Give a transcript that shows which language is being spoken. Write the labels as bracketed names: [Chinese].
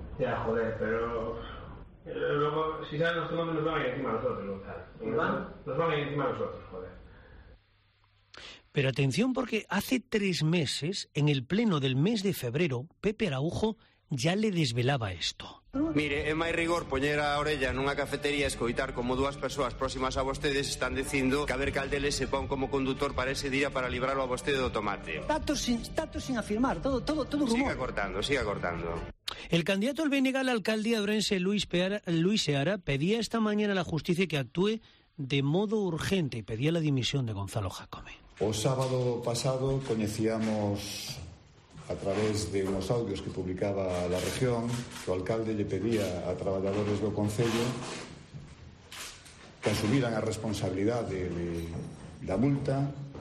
[Spanish] Ya, joder, pero... luego, si sabes nuestro nombre, nos van a ir encima a nosotros, ¿no? Nos van a ir encima a nosotros, joder. Pero atención, porque hace 3 meses, en el pleno del mes de febrero, Pepe Araujo ya le desvelaba esto. [Galician] Mire, en máis rigor, poñer a orella nunha cafetería escoitar como dúas persoas próximas a vostedes están dicindo que a ver que Aldele se pon como condutor para ese día para librarlo a vostede do tomate. [Spanish] Datos sin afirmar, todo rumor. Siga cortando. El candidato al BNG a la alcaldía orense, Luis Seara, pedía esta mañana a la justicia que actúe de modo urgente y pedía la dimisión de Gonzalo Jácome. [Galician] O sábado pasado coñecíamos a través de unos audios que publicaba La Región que o alcalde lle pedía a traballadores do concello que asumiran a responsabilidade da multa.